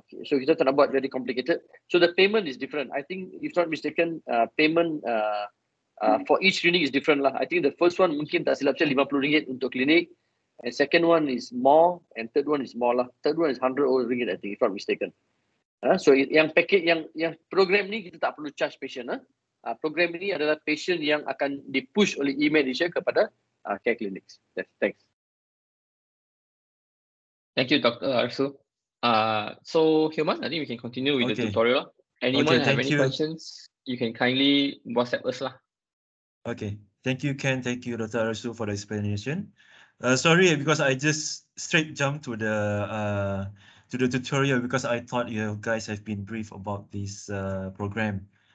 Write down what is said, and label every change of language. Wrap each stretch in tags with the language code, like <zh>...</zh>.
<en>So</en> <ms>kita tak nak buat</ms> <en>very complicated. So the payment is different. I think if not mistaken, payment for each clinic is different lah. I think the first one</en> <ms>mungkin tak silap saya RM50 untuk klinik.</ms> <en>And second one is more, and third one is more lah. Third one is RM100, I think, if not mistaken.</en> <ms>So yang paket yang program ni kita tak perlu charge patient. Program ni adalah patient yang akan dipush oleh EmedAsia kepada care clinics.</ms> <en>Yes, thanks. Thank you, Dr. Arsul. So Hilman, I think we can continue with the tutorial. Anyone have any questions? You can kindly WhatsApp us lah. Okay. Thank you, Ken. Thank you, Dr. Arsul, for the explanation. Sorry, because I just straight jumped to the tutorial because I thought you guys have been briefed about this program.</en>